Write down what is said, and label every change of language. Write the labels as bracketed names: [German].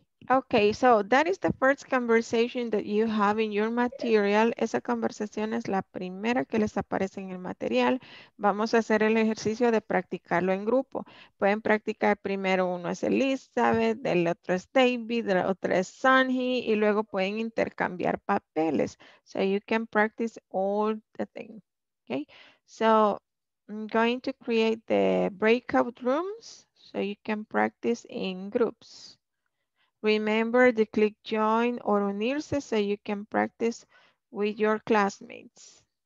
[English] Okay, so that is the first conversation that you have in your material. [Spanish] Esa conversación es la primera que les aparece en el material. Vamos a hacer el ejercicio de practicarlo en grupo. Pueden practicar primero uno es Elizabeth, el otro es David, el otro es Sunny, y luego pueden intercambiar papeles. [English] So you can practice all the things. Okay, so I'm going to create the breakout rooms so you can practice in groups. Remember to click join or unirse so you can practice with your classmates.